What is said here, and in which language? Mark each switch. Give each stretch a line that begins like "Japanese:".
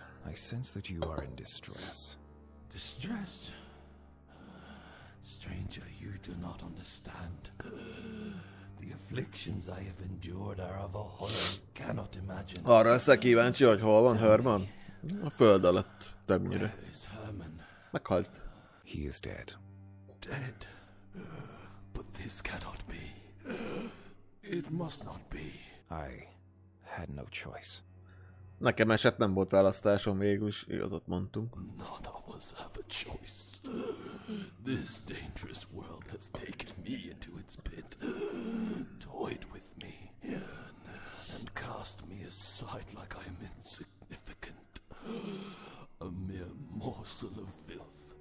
English: I sense that you are in distress. Distress? Stranger, you do not understand. The afflictions I have endured are of a horror I cannot imagine.
Hungarian: Arra lesz-e kíváncsi, hogy hol van Herman? A föld alatt, többnyire.
English: Where is Herman?
Hungarian: Meghalt.
English: He is dead. Dead? But this cannot be. It must not be. I had no choice.
Hungarian: Nekem esett, nem volt választásom végül is, igazat mondtunk.
English: None of us have a choice. This dangerous world has taken me into its pit, toyed with me, and cast me aside like I am insignificant, a mere morsel of filth.